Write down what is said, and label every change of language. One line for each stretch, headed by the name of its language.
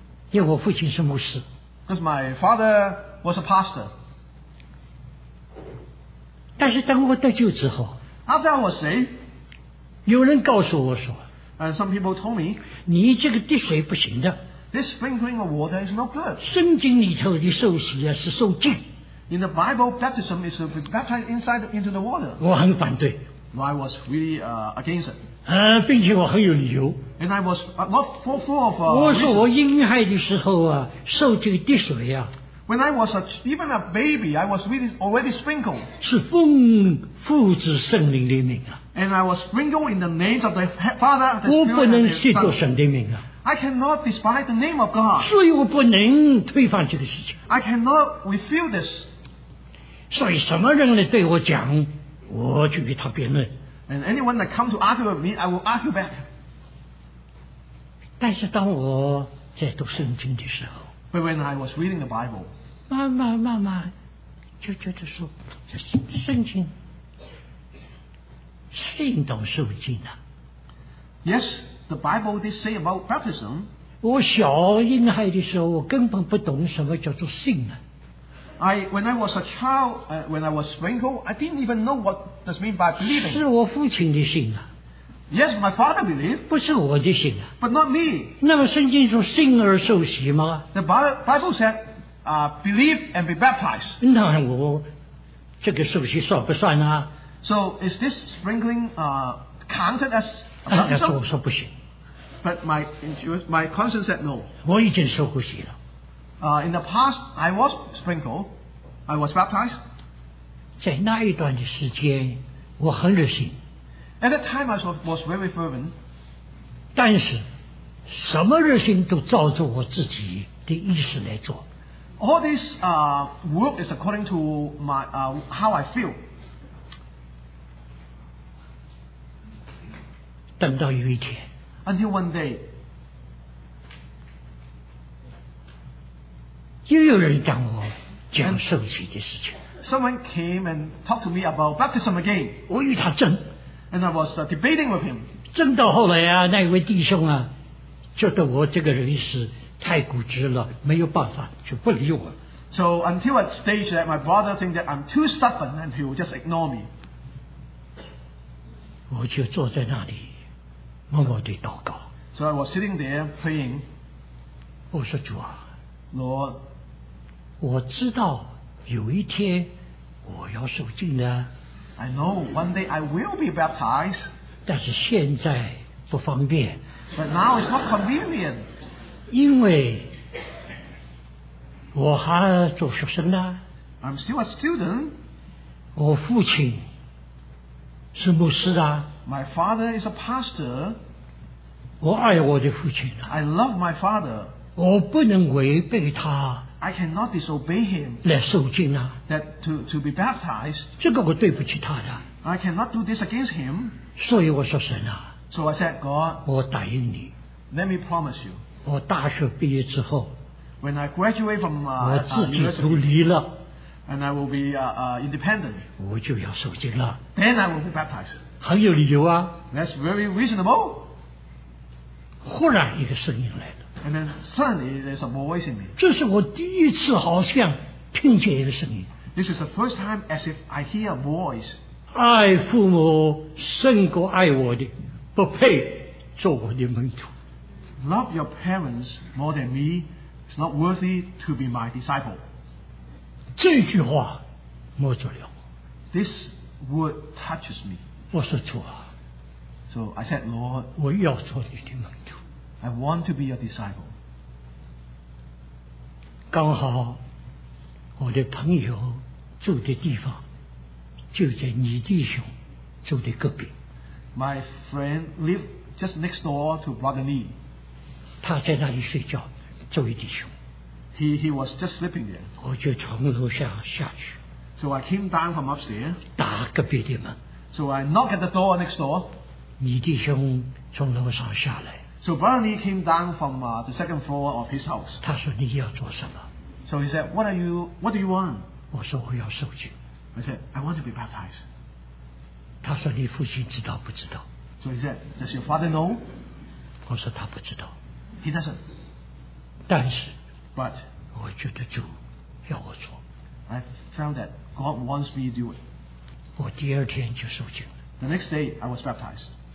Chinese: 因为我父亲是牧师。
English: Because my father was a pastor.
Chinese: 但是当我得救之后
English: ，After I was saved,
Chinese: 有人告诉我说
English: ，And some people told me,
Chinese: 你这个滴水不行的。
English: This sprinkling of water is not good.
Chinese: 圣经里头的受洗啊是受浸。
English: In the Bible, baptism is to be baptized inside into the water.
Chinese: 我很反对。
English: I was really against it.
Chinese: 并且我很有理由。
English: And I was not full of.
Chinese: 我说我婴孩的时候啊，受这个滴水啊。
English: When I was even a baby, I was really already sprinkled.
Chinese: 是奉父子圣灵的名啊。
English: And I was sprinkled in the names of the Father, the Spirit,
Chinese: 我不能亵渎神的名啊。
English: I cannot despise the name of God.
Chinese: 所以我不能推翻这个事情。
English: I cannot refute this.
Chinese: 所以什么人来对我讲，我去给他辩论。
English: And anyone that come to argue with me, I will argue back.
Chinese: 但是当我在读圣经的时候
English: But when I was reading the Bible
Chinese: 慢慢就觉得说这圣经信道受尽啊
English: Yes, the Bible did say about baptism
Chinese: 我小婴孩的时候我根本不懂什么叫做信啊
English: When I was a child, when I was sprinkled I didn't even know what does mean by believing
Chinese: 是我父亲的信啊
English: Yes, my father believed.
Chinese: 不是我的信啊。
English: But not me.
Chinese: 那么圣经说信而受洗吗
English: ？The Bible said, believe and be baptized.
Chinese: 那我这个受洗算不算啊
English: ？So is this sprinkling counted as baptism?
Chinese: 但是我说不行。
English: But my conscience said no.
Chinese: 我已经受过洗了。
English: In the past, I was sprinkled. I was baptized.
Chinese: 在那一段的时间，我很热心。
English: At that time, I was very fervent.
Chinese: 但是，什么热心都照着我自己的意思来做。
English: All this work is according to my how I feel.
Chinese: 等到有一天。
English: Until one day.
Chinese: 又有人讲我讲受洗的事情。
English: Someone came and talked to me about baptism again.
Chinese: 我与他争。
English: And I was debating with him.
Chinese: 争到后来啊，那位弟兄啊，觉得我这个人是太固执了，没有办法，就不理我。
English: So until a stage that my brother think that I'm too stubborn and he will just ignore me.
Chinese: 我就坐在那里，默默地祷告。
English: So I was sitting there praying.
Chinese: 我说主啊
English: ，Lord，
Chinese: 我知道有一天我要受浸的。
English: I know one day I will be baptized.
Chinese: 但是现在不方便。
English: But now it's not convenient.
Chinese: 因为我还做学生呢。
English: I'm still a student.
Chinese: 我父亲是牧师啊。
English: My father is a pastor.
Chinese: 我爱我的父亲啊。
English: I love my father.
Chinese: 我不能违背他。
English: I cannot disobey him.
Chinese: 来受浸啊。
English: That to be baptized.
Chinese: 这个我对不起他的。
English: I cannot do this against him.
Chinese: 所以我说神啊。
English: So I said, God.
Chinese: 我答应你。
English: Let me promise you.
Chinese: 我大学毕业之后。
English: When I graduate from university.
Chinese: 我自己独立了。
English: And I will be independent.
Chinese: 我就要受浸了。
English: Then I will be baptized.
Chinese: 很有理由啊。
English: That's very reasonable.
Chinese: 忽然一个声音来了。
English: And then suddenly there's a voice in me.
Chinese: 这是我第一次好像听见一个声音。
English: This is the first time as if I hear a voice.
Chinese: 爱父母胜过爱我的，不配做我的门徒。
English: Love your parents more than me. It's not worthy to be my disciple.
Chinese: 这句话摸着了。
English: This word touches me.
Chinese: 我说主啊。
English: So I said, Lord,
Chinese: 我要做你的门徒。
English: I want to be your disciple.
Chinese: 刚好我的朋友住的地方就在你弟兄住的隔壁。
English: My friend lived just next door to Brother Lee.
Chinese: 他在那里睡觉，作为弟兄。
English: He was just sleeping there.
Chinese: 我就从楼下下去。
English: So I came down from upstairs.
Chinese: 打隔壁的门。
English: So I knocked at the door next door.
Chinese: 你弟兄从楼上下来。
English: So Brother Lee came down from the second floor of his house.
Chinese: 他说你要做什么？
English: So he said, what do you want?
Chinese: 我说我要受浸。
English: I said, I want to be baptized.
Chinese: 他说你父亲知道不知道？
English: So he said, does your father know?
Chinese: 我说他不知道。
English: He doesn't.
Chinese: 但是。
English: But
Chinese: 我觉得主要我做。
English: I found that God wants me to do it.
Chinese: 我第二天就受浸。
English: The next day I was baptized.